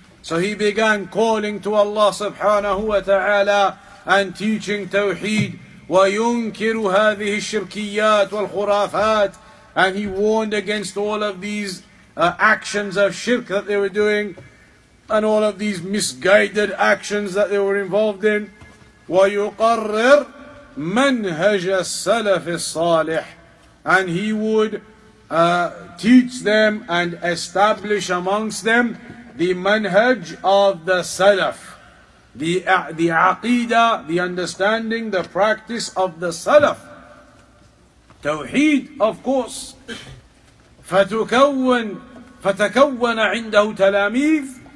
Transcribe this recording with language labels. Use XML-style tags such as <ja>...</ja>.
<en>So he began calling to Allah subhanahu wa ta'ala and teaching tawheed.</en> <ar>وَيُنْكِرُ هَذِهِ الشِّرْكِيَّاتِ وَالْخُرَافَاتِ.</ar> <en>And he warned against all of these actions of shirk that they were doing and all of these misguided actions that they were involved in.</en> <ar>ويقرر منهج السلف الصالح.</ar> <en>And he would teach them and establish amongst them the manhaj of the salaf, the aqidah, the understanding, the practice of the salaf.</en> <ar>توحيد</ar> <en>of course</en> <ar>فتكون عنده تلاميذ.</ar>